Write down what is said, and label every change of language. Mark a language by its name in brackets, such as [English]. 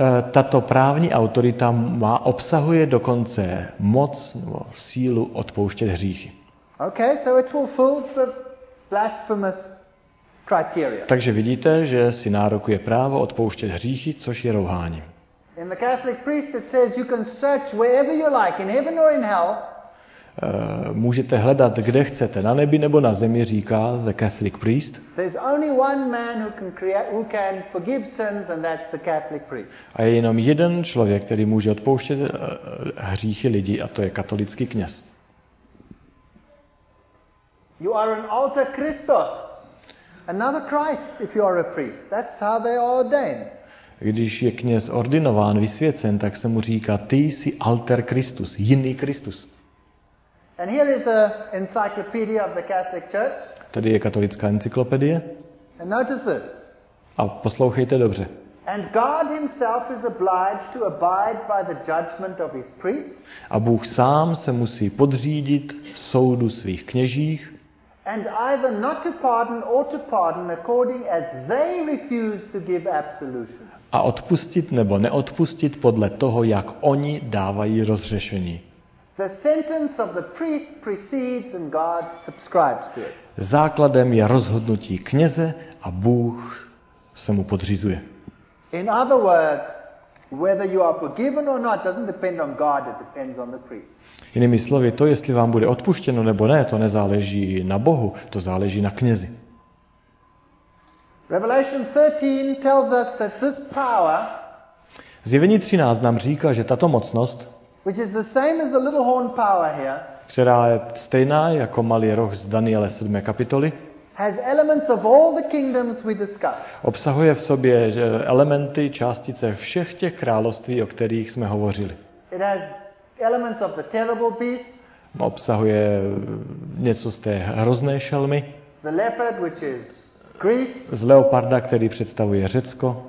[Czech] Tato právní autorita má obsahuje dokonce moc nebo sílu odpouštět hříchy. [English] Okay, so it fulfills the blasphemous criteria. [Czech] Takže vidíte, že si nárokuje právo odpouštět hříchy, což je rouhání. [English] In the Catholic priest it says you can search wherever you like, in heaven or in hell. [Czech] Můžete hledat, kde chcete, na nebi nebo na zemi, říká [English] the Catholic priest. There's only one man who can forgive sins, and that's the Catholic priest. [Czech] A je jenom jeden člověk, který může odpouštět hříchy lidí, a to je katolický kněz. [English] You are an alter Christos, another Christ, if you are a priest. That's how they are ordained. [Czech] Když je kněz ordinován, vysvěcen, tak se mu říká, ty jsi alter Christus, jiný Kristus. [English] And here is the encyclopedia of the Catholic Church. [Czech] Tady je katolická encyklopedie. [English] And notice this. [Czech] A poslouchejte dobře. [English] And God himself is obliged to abide by the judgment of his priests. [Czech] A Bůh sám se musí podřídit soudu svých kněžích. [English] And either not to pardon or to pardon according as they refuse to give absolution. [Czech] A odpustit nebo neodpustit podle toho, jak oni dávají rozřešení. [English] The sentence of the priest precedes and God subscribes to it. [Czech] Základem je rozhodnutí kněze a Bůh se mu podřizuje. [English] In other words, whether you are forgiven or not doesn't depend on God, it depends on the priest. [Czech] Jinými slovy, to jestli vám bude odpuštěno nebo ne, to nezáleží na Bohu, to záleží na knězi. [English] Revelation 13 tells us that this power. [Czech] Zjevení 13 nám říká, že tato mocnost, [English] which is the same as the little horn power here, [Czech] která je stejná jako malý roh z Daniele 7. kapitoly, [English] has elements of all the kingdoms we discussed. [Czech] Obsahuje v sobě elementy, částice všech těch království, o kterých jsme hovořili. [English] It has elements of the terrible beast. [Czech] Obsahuje něco z té hrozné šelmy. [English] The leopard, which is Greece. [Czech] Z leoparda, který představuje Řecko.